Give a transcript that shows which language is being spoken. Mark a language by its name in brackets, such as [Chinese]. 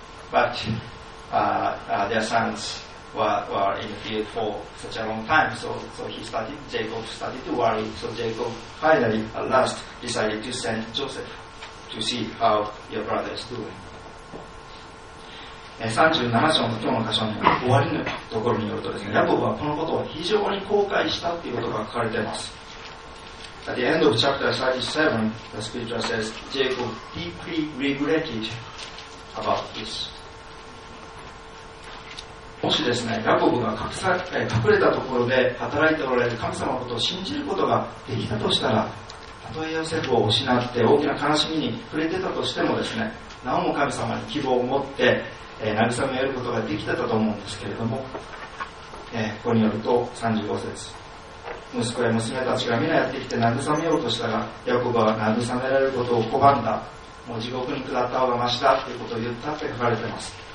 [English] But their sons. were in the field for such a long time, Jacob started to worry. So Jacob finally, at last, decided to send Joseph to see how your brother is doing. [Japanese] 37章の今日の箇所の終わりのところによるとですね、ヤコブはこのことを非常に後悔したということが書かれています。 [English] At the end of chapter 37, the scripture says, Jacob deeply regretted about this. [Japanese] もしですね、ヤコブが隠れたところで働いておられる神様のことを信じることができたとしたら、たとえヨセフを失って大きな悲しみに触れてたとしてもですね、なおも神様に希望を持って、慰めることができたと思うんですけれども、ここによると35節、息子や娘たちが皆やってきて慰めようとしたが、ヤコブは慰められることを拒んだ、もう地獄に下った方がましだということを言ったって書かれています。